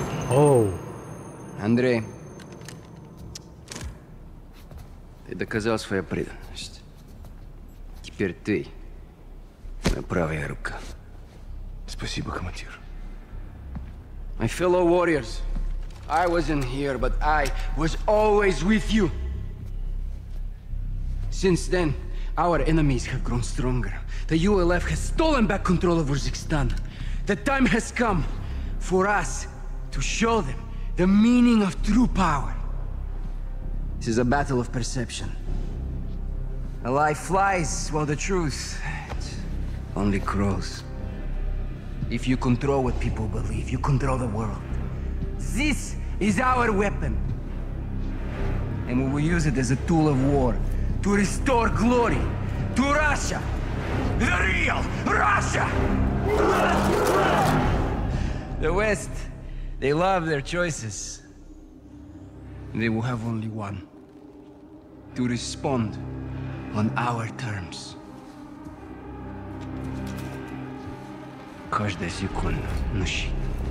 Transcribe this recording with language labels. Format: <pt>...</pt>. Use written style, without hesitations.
<ru>Оу. Андрей, ты доказал свою преданность. Теперь ты моя правая рука. Спасибо, командир.</ru> <en>My fellow warriors, I wasn't here, but I was always with you. Since then, our enemies have grown stronger. The ULF has stolen back control of Uzbekistan. The time has come for us to show them the meaning of true power. This is a battle of perception. A lie flies while the truth only crawls. If you control what people believe, you control the world. This is our weapon. And we will use it as a tool of war. To restore glory to Russia, the real Russia! The West, they love their choices. They will have only one, to respond on our terms.</en> <ru>Каждая секунда на счету.</ru>